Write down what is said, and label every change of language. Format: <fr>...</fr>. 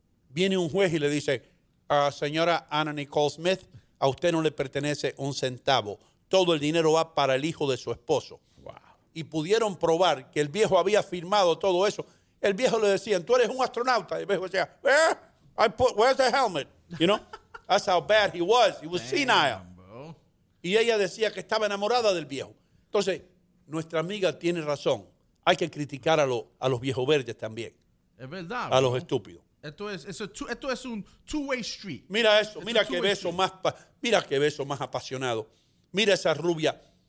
<es>Viene un juez y le dice, señora Anna Nicole Smith, a usted no le pertenece un centavo. Todo el dinero va para el hijo de su esposo.</es> <en>Wow.</en> <es>Y pudieron probar que el viejo había firmado todo eso. El viejo le decía, tú eres un astronauta. Y el viejo decía,</es> <en>where's the helmet? You know, that's how bad he was. He was senile. Damn,</en> <es>y ella decía que estaba enamorada del viejo. Entonces, nuestra amiga tiene razón. Hay que criticar a los viejos verdes también. Es verdad. A los estúpidos. Esto es un</es> <en>two-way street.</en> <es>Mira eso. Mira qué beso más apasionado. Mira esa rubia.</es>